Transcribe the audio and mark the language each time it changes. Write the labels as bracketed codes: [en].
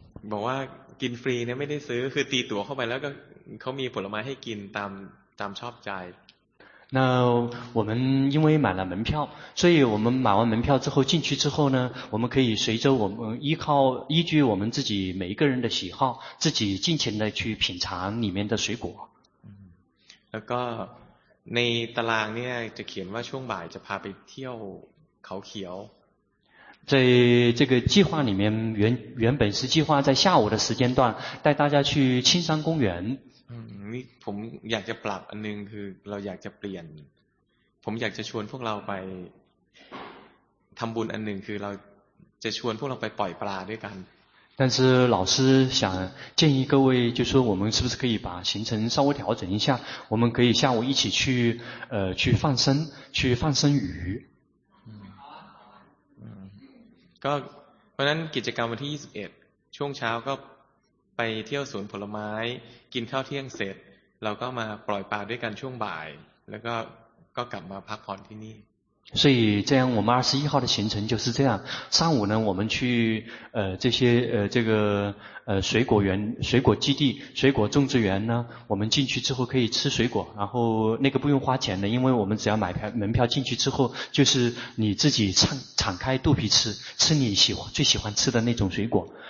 [th] บอกว่ากินฟรีเนี่ยไม่ได้ซื้อคือตีตั๋วเข้าไปแล้วก็เขามีผลไม้ให้กินตามชอบใจ。 [zh] 那我们因为买了门票，所以我们买完门票之后进去之后呢，我们可以随着我们依据我们自己每一个人的喜好，自己尽情的去品尝里面的水果。 [th] แล้วก็ในตารางเนี่ยจะเขียนว่าช่วงบ่ายจะพาไปเที่ยวเขาเขียว [zh] 在这个计划里面原本是计划在下午的时间段带大家去青山公园。 [th] นี่ผมอยากจะปรับอันนึงคือเราอยากจะเปลี่ยนผมอยากจะชวนพวกเราไปทำบุญอันนึงคือเราจะชวนพวกเราไปปล่อยปลาด้วยกัน [zh] 但是老师想建议各位，就说我们是不是可以把行程稍微调整一下？我们可以下午一起去去放生，去放生鱼。 [th] ก็เพราะนั้นกิจกรรมวันที่21ช่วงเช้าก็ไปเที่ยวสวนผลไม้กินข้าวเที่ยงเสร็จเราก็มาปล่อยปลาด้วยกันช่วงบ่ายแล้วก็กลับมาพักผ่อนที่นี่ [zh] 所以这样我们21号的行程就是这样上午呢我们去这些这个水果园水果基地水果种植园呢我们进去之后可以吃水果然后那个不用花钱的因为我们只要买门票进去之后就是你自己敞开肚皮吃你喜欢最喜欢吃的那种水果